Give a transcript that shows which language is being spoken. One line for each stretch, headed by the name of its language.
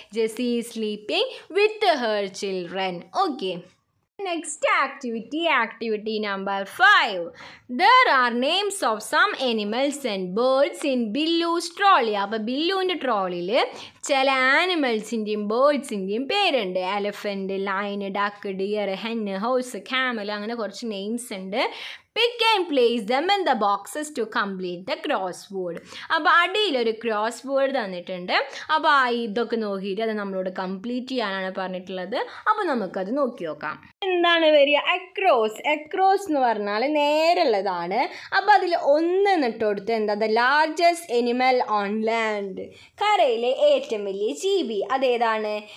English: Jessy is sleeping with her children. Okay, next activity, activity number 5. There are names of some animals and birds in Billu's trolley.
Malayalam: അപ്പോൾ ബില്ലുവിൻ്റെ ട്രോളിയിൽ ചില ആനിമൽസിൻ്റെയും ബേർഡ്സിൻ്റെയും പേരുണ്ട്.
English: elephant, lion, duck, deer, hen, horse, camel,
Malayalam: അങ്ങനെ കുറച്ച് names ഉണ്ട്.
English: Pick and place them in the boxes to complete the crossword.
Malayalam: അപ്പോൾ അടിയിലൊരു cross word തന്നിട്ടുണ്ട്. അപ്പോൾ ആ ഇതൊക്കെ നോക്കിയിട്ട് അത് നമ്മളോട് കംപ്ലീറ്റ് ചെയ്യാനാണ് പറഞ്ഞിട്ടുള്ളത്. അപ്പോൾ നമുക്കത് നോക്കി നോക്കാം. എന്താണ് വരിക? അക്രോസ്. അക്രോസ് എന്ന് പറഞ്ഞാൽ നേരെയുള്ളതാണ്. അപ്പോൾ അതിൽ ഒന്ന് എന്നിട്ട് കൊടുത്ത് എന്താ,
English: the largest animal on land,
Malayalam: കരയിലെ ഏറ്റവും വലിയ ജീവി, അതേതാണ്?